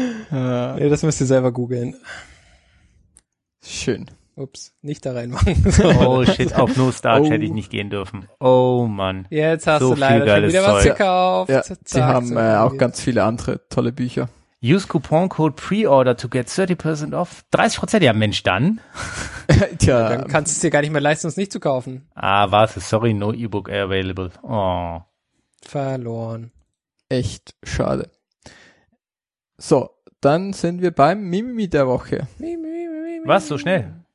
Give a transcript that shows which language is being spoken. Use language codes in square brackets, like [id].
[de] Nee, das müsst ihr selber googeln. Schön. Ups, nicht da reinmachen. Oh shit, auf No Starch hätte ich nicht gehen dürfen. Oh Mann. Jetzt hast so du leider schon wieder was gekauft. Ja, sie haben auch ganz viele andere tolle Bücher. [en] Use Coupon Code Preorder to get 30% off. [de] 30%? Ja, Mensch, dann. Tja. Ja, dann kannst du es dir gar nicht mehr leisten, es nicht zu kaufen. [en] Ah, [de] warte, [en] sorry, no E-Book available. Oh. [de] Verloren. Echt schade. So, dann sind wir beim Mimimi der Woche. Was, so schnell?